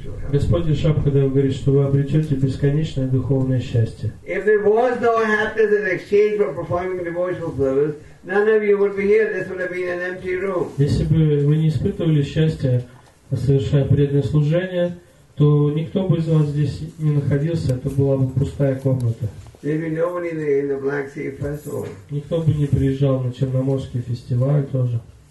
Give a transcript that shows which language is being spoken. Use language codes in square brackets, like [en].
[ru] Господь Шабхадева говорит, что вы обретете бесконечное духовное счастье. [en] If there was no happiness in exchange for performing devotional service, none of you would be here. This would have been an empty room. [ru] Если бы вы не испытывали счастья, совершая преданное служение, то никто бы из вас здесь не находился, это была бы пустая комната. Никто бы не приезжал на Черноморский фестиваль тоже.